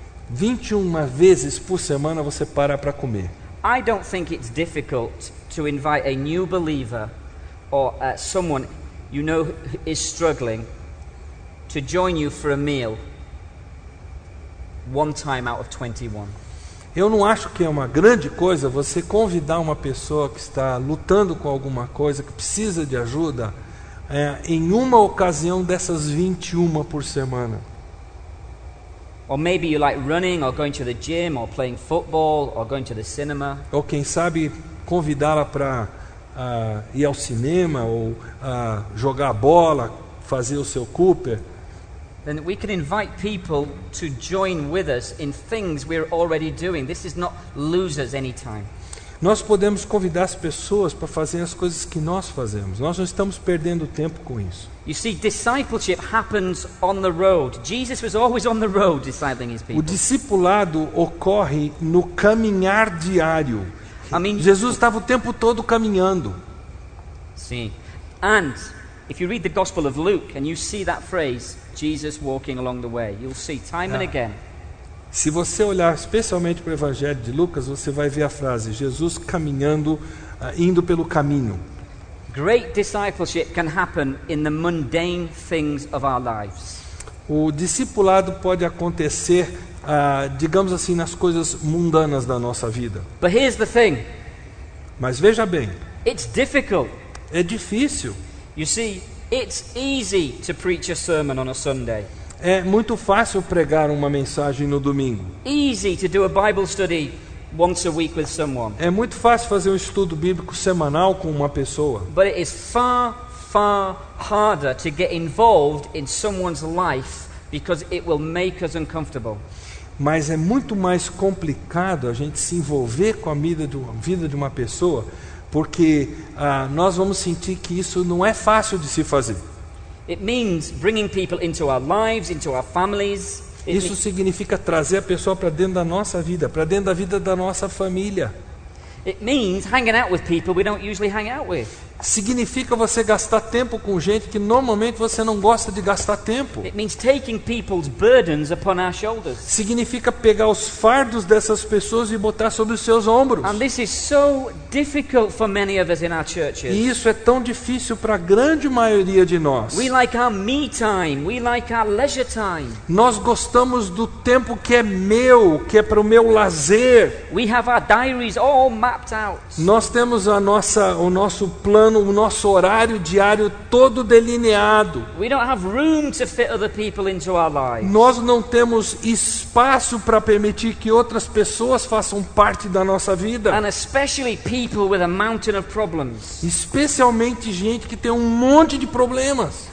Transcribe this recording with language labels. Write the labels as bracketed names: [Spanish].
[Portuguese] 21 vezes por semana você para para comer. [English] I don't think it's difficult to invite a new believer or someone you know is struggling to join you for a meal one time out of 21. [Portuguese] Eu não acho que é uma grande coisa você convidar uma pessoa que está lutando com alguma coisa, que precisa de ajuda, em uma ocasião dessas 21 por semana. [English] Or maybe you like running or going to the gym or playing football or going to the cinema. [Portuguese] Ou quem sabe convidá-la para ir ao cinema ou jogar bola, fazer o seu Cooper. [English] Then we can invite people to join with us in things we're already doing. This is not losers anytime. [Portuguese] Nós podemos convidar as pessoas para fazer as coisas que nós fazemos. Nós não estamos perdendo tempo com isso. [English] You see, discipleship happens on the road. Jesus was always on the road discipling his people. [Portuguese] O discipulado ocorre no caminhar diário. [English] I mean, [Portuguese] Jesus estava o tempo todo caminhando. Sim. [English] And if you read the Gospel of Luke and you see that phrase, Jesus walking along the way, you'll see time and again. [Portuguese] Se você olhar especialmente para o Evangelho de Lucas, você vai ver a frase Jesus caminhando, indo pelo caminho. [English] Great discipleship can happen in the mundane things of our lives. [Portuguese] O discipulado pode acontecer, digamos assim, nas coisas mundanas da nossa vida. [English] But here's the thing. [Portuguese] Mas veja bem. [English] It's difficult. [Portuguese] É difícil. [English] You see, it's easy to preach a sermon on a Sunday. [Portuguese] É muito fácil pregar uma mensagem no domingo. [English] Easy to do a Bible study once a week with someone. [Portuguese] É muito fácil fazer um estudo bíblico semanal com uma pessoa. [English] But it is far, far harder to get involved in someone's life because it will make us uncomfortable. [Portuguese] Mas é muito mais complicado a gente se envolver com a vida de uma pessoa porque nós vamos sentir que isso não é fácil de se fazer. [English] It means bringing people into our lives, into our families. [Portuguese] Isso significa trazer a pessoa para dentro da nossa vida, para dentro da vida da nossa família. [English] It means hanging out with people we don't usually hang out with. [Portuguese] Significa você gastar tempo com gente que normalmente você não gosta de gastar tempo. [English] It means taking people's burdens upon our shoulders. [Portuguese] Significa pegar os fardos dessas pessoas e botar sobre os seus ombros. [English] And this is so difficult for many of us in our churches. [Portuguese] E isso é tão difícil para a grande maioria de nós. [English] We like our me time, we like our leisure time. [Portuguese] Nós gostamos do tempo que é meu, que é para o meu lazer. [English] We have our diaries all mapped out. [Portuguese] Nós temos o nosso plano, o nosso horário diário todo delineado. [English] We don't have room to fit other people into our lives. [Portuguese] Nós não temos espaço para permitir que outras pessoas façam parte da nossa vida. [English] And especially people with a mountain of problems. [Portuguese] Especialmente gente que tem um monte de problemas.